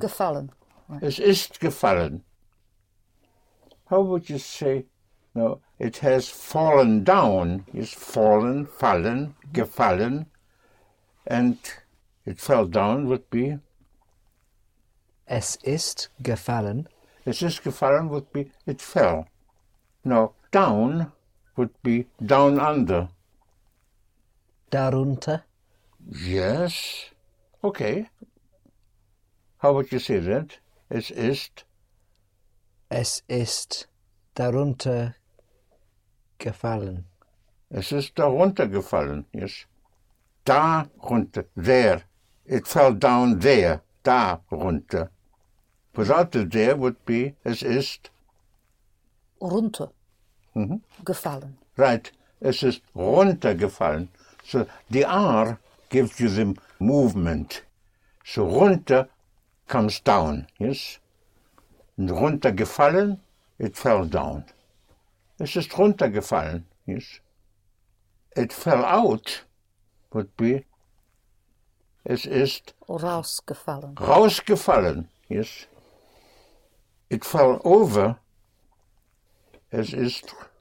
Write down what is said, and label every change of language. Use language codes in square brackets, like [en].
[de] Gefallen. [en] Right. [de] Es ist gefallen. [en] How would you say? No, it has fallen down. It's fallen, fallen, gefallen. And it fell down would be? [de] Es ist gefallen. Es ist gefallen [en] would be it fell. No, down would be down under. [de] Darunter. [en] Yes. Okay. How would you say that? [de] Es ist? Es ist darunter gefallen. Es ist darunter gefallen, yes. Da runter, there. [en] It fell down there, da runter. Without the there would be, [de] es ist? Runter. Mm-hmm. Gefallen. Right, es ist runter gefallen. [en] So the R gives you the movement. So runter comes down, yes? And [de] runter gefallen, [en] it fell down. [de] Es ist runtergefallen, yes. [en] It fell out would be, [de] es ist rausgefallen. [en] Rausgefallen, yes. It fell over, [de] es ist